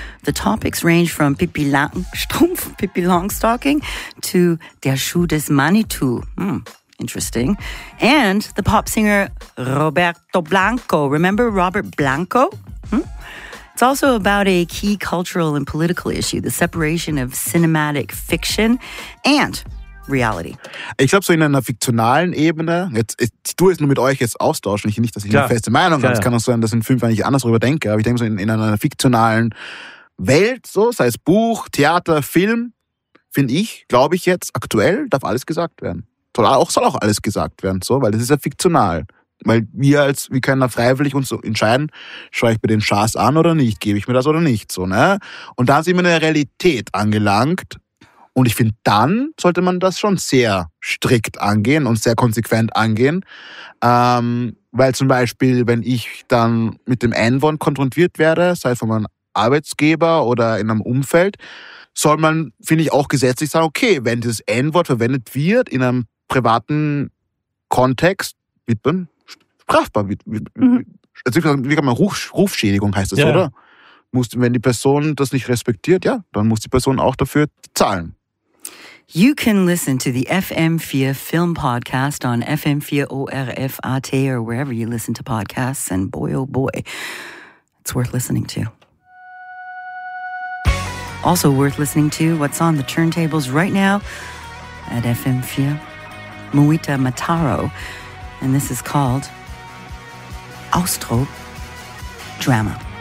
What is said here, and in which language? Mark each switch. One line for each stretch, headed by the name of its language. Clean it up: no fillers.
English: The topics range from Pippi Longstocking, to Der Schuh des Manitou. Interesting. And the pop singer Roberto Blanco. Remember Robert Blanco? It's also about a key cultural and political issue, the separation of cinematic fiction and reality.
German: Ich glaube, so in einer fiktionalen Ebene, ich tue es nur mit euch austauschen, nicht, dass ich eine feste Meinung habe, es kann auch sein, dass ich in Film eigentlich anders darüber denke, aber ich denke so in einer fiktionalen Welt, so sei es Buch, Theater, Film, finde ich, glaube ich jetzt, aktuell darf alles gesagt werden. Soll auch alles gesagt werden, so, weil das ist ja fiktional. Weil wir können da freiwillig uns entscheiden, schaue ich mir den Schaß an oder nicht, gebe ich mir das oder nicht, so, ne? Und da sind wir in der Realität angelangt. Und ich finde, dann sollte man das schon sehr strikt angehen und sehr konsequent angehen. Weil zum Beispiel, wenn ich dann mit dem N-Wort konfrontiert werde, sei es von meinem Arbeitgeber oder in einem Umfeld, soll man, finde ich, auch gesetzlich sagen, okay, wenn dieses N-Wort verwendet wird in einem privaten Kontext, wird man strafbar. Wie kann man Rufschädigung heißt das, oder? Wenn die Person das nicht respektiert, ja, dann muss die Person auch dafür zahlen.
English: You can listen to the FM4 Film Podcast on FM4ORF.at or wherever you listen to podcasts, and boy, oh boy, it's worth listening to. Also worth listening to what's on the turntables right now at FM4, Muita Mataro, and this is called Austro-Drama.